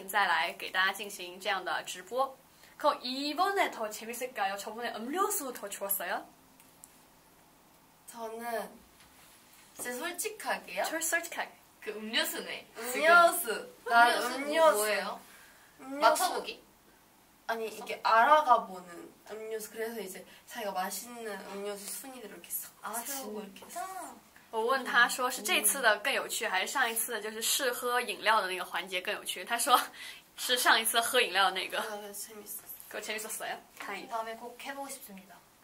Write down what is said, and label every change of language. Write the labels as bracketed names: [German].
[Chinese] 今天是我第三次微博直播，然后能跟大家进行这么有趣的活动，觉得很开心。每一次都能创造更加全新的回忆啊！希望接下来有机会能赶紧再来给大家进行这样的直播。 [Korean] 그 이번에 더 재밌을까요? 저번에 음료수 더 좋았어요? 저는 진짜 솔직하게요? 저 솔직하게 그 음료수네 음료수 난 음료수 뭐예요? 맞춰보기? 아니 이게 알아가 보는 음료수 그래서 이제 자기가 맛있는 음료수 순위들을 이렇게 아 진짜? 이렇게 [Chinese] 我问他说是这次的更有趣还是上一次的就是试喝饮料的那个环节更有趣他说是上一次喝饮料的那个 [Korean] 재밌었어 그거 재밌었어요? 다행히 다음에 꼭 해보고 싶습니다